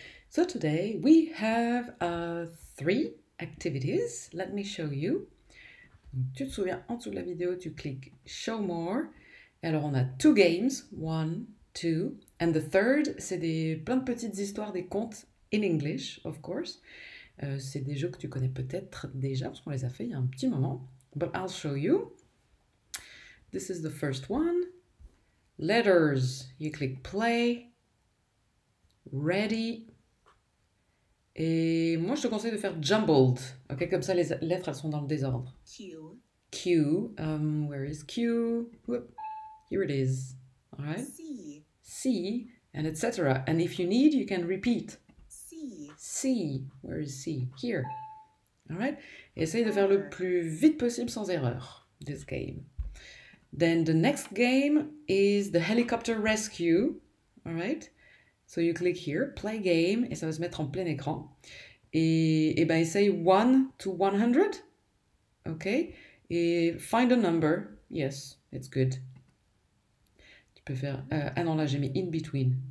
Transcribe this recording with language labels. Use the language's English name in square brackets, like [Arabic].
[English] So today we have three activities. Let me show you. [French] Donc, tu te souviens, en dessous de la vidéo, tu cliques Show More. Et alors on a two games, one, two. And the third, c'est plein de petites histoires, des contes in English, of course. C'est des jeux que tu connais peut-être déjà parce qu'on les a fait il y a un petit moment. [English] But I'll show you. This is the first one. Letters. You click play. Ready. [French] Et moi, je te conseille de faire jumbled. OK, comme ça, les lettres, elles sont dans le désordre. [English] Q. Q. Where is Q? Whoop. Here it is. All right. C. C, and etc. And if you need, you can repeat. C. C. Where is C? Here. All right. Essaye de faire le R. [French] plus vite possible sans erreur, this game. [English] Then the next game is the helicopter rescue. All right. [French] So you click here, play game, et ça va se mettre en plein écran. Et ben, essaye 1 to 100. OK. [English] Et find a number. Yes, it's good. Tu peux faire. [French] Ah non, là, j'ai mis in between.